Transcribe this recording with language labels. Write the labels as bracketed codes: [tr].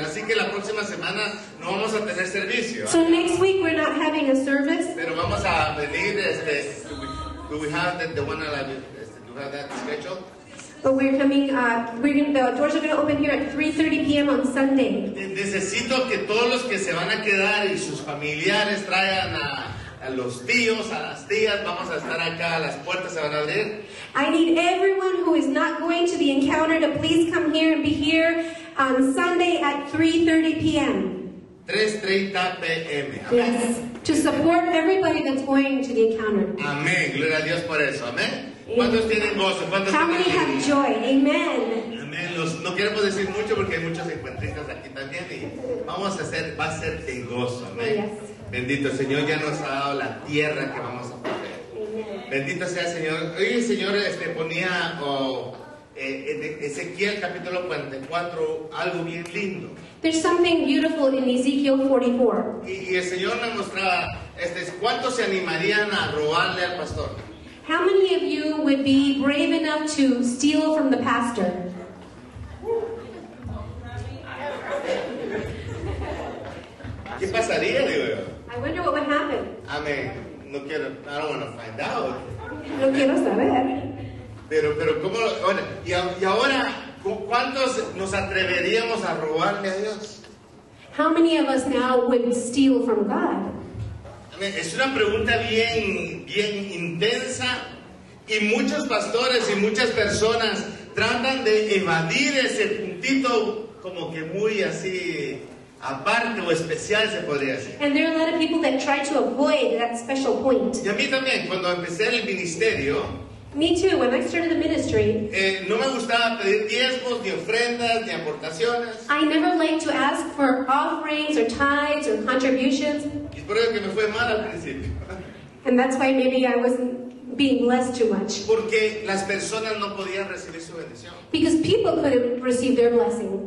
[es] Así que la próxima semana no vamos a tener servicio. [en] So next week we're not having a service. [es] Pero vamos a venir, [en] do we have that schedule? But we're coming, the doors are going to open here at 3:30 p.m. on Sunday. [es] Necesito que todos los que se van a quedar y sus familiares traigan a los tíos, a las tías, vamos a estar acá, las puertas se van a abrir. [en] I need everyone who is not going to the encounter to please come here and be here on Sunday at 3:30 p.m. 3:30 p.m. Yes, to support everybody that's going to the encounter. [es] Amén, gloria a Dios por eso, amén. ¿Cuántos tienen gozo? ¿Cuántos [en] How many have joy? Amen. [es] Amén, no queremos decir mucho porque hay muchos encuentristas aquí también y vamos a hacer, va a ser de gozo, amén. [en] Yes. [es] Bendito Señor, ya nos ha dado la tierra que vamos a poseer. Bendito sea el Señor. Hoy el Señor ponía Ezequiel capítulo 44, algo bien lindo. [en] There's something beautiful in Ezekiel 44. [es] Y el Señor nos mostraba, ¿cuántos se animarían a robarle al pastor? [en] How many of you would be brave enough to steal from the pastor? [es] ¿Qué pasaría, digo yo? [en] I wonder what would happen. [es] Amén. No quiero, [en] I don't want to find out. [es] No quiero saber. Pero cómo, bueno, y ahora, ¿cuántos nos atreveríamos a robarle a Dios? [en] How many of us now would steal from God? [es] Amén. Es una pregunta bien intensa y muchos pastores y muchas personas tratan de evadir ese puntito como que muy así. Aparte o especial se podría decir. [en] And there are a lot of people that try to avoid that special point. [es] Y a mí también, cuando empecé el ministerio. [en] Me too, when I started the ministry. [es] No me gustaba pedir diezmos, ni ofrendas, ni aportaciones. [en] I never liked to ask for offerings or tithes or contributions. [es] Y por eso que me fue mal al principio. [en] And that's why maybe I wasn't being blessed too much. [es] Porque las personas no podían recibir su bendición. [en] Because people couldn't receive their blessing.